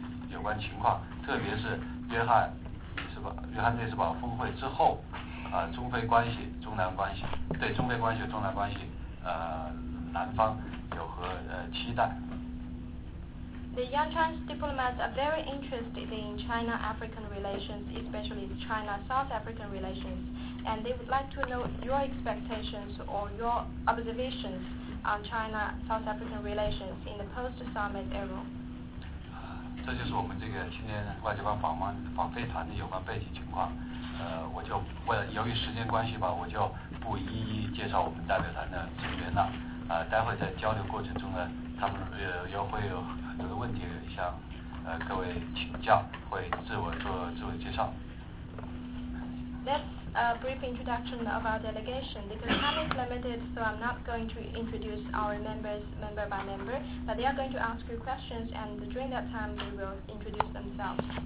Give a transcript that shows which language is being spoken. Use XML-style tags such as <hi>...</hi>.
<zh>有关情况，特别是约翰内斯堡峰会之后，中非关系、中南关系，对中非关系、中南关系，南方有何期待</zh> <en>？The young Chinese diplomats are very interested in China-African relations, especially China-South African relations, and they would like to know your expectations or your observations on China-South African relations in the post-summit era.</en> <zh>这就是我们这个青年外交官访非团的有关背景情况。我就为了由于时间关系吧，我就不一一介绍我们代表团的成员了。待会在交流过程中呢，他们又会有很多的问题向各位请教，会自我做自我介绍。</zh> <en>Let's a brief introduction of our delegation, because time is limited, so I'm not going to introduce our members member by member, but they are going to ask you questions, and during that time, they will introduce themselves.</en>